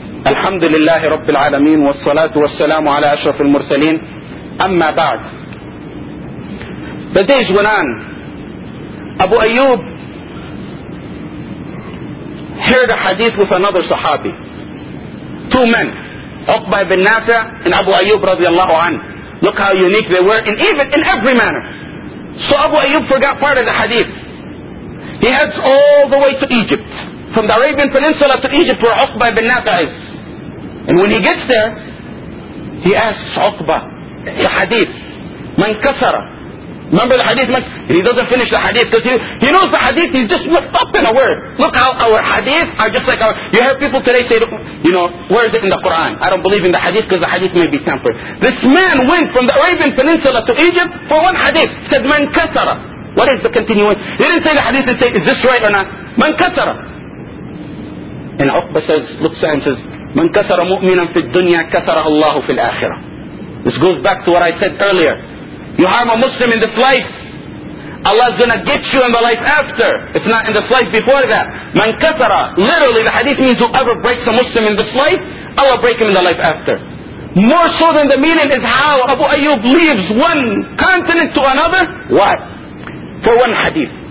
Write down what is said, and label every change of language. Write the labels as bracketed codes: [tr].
[ar] الحمد لله رب العالمين والصلاة والسلام على أشرف المرسلين أما بعد. [en] The days went on. Abu Ayyub heard a hadith with another Sahabi. Two men, Uqba ibn Nafi' and Abu Ayyub [ar] رضي الله عنه. [en] Look how unique they were, and even in every manner. So Abu Ayyub forgot part of the hadith. He heads all the way to Egypt, from the Arabian Peninsula to Egypt, where Uqba ibn Nafi' is. And when he gets there, he asks Uqba the hadith. [ar] Man kasara. [en] Remember the hadith? And he doesn't finish the hadith because he knows the hadith. He's just messed up in a word. Look how our hadith are just like our... You have people today say, you know, where is it in the Quran? I don't believe in the hadith because the hadith may be tempered. This man went from the Arabian Peninsula to Egypt for one hadith. He said, [ar] man kasara. [en] What is the continuing? He didn't say the hadith. He said, is this right or not? [ar] Man kasara. [en] And Uqba says, looks at him and says, [ar] من كسر مؤمنا في الدنيا كسره الله في الآخرة. [en] This goes back to what I said earlier. You harm a Muslim in this life, Allah is going to get you in the life after, if not in this life before that. [ar] من كسر, [en] literally the hadith means whoever breaks a Muslim in this life, Allah break him in the life after. More so than the meaning is how Abu Ayyub leaves one continent to another. Why? For one hadith.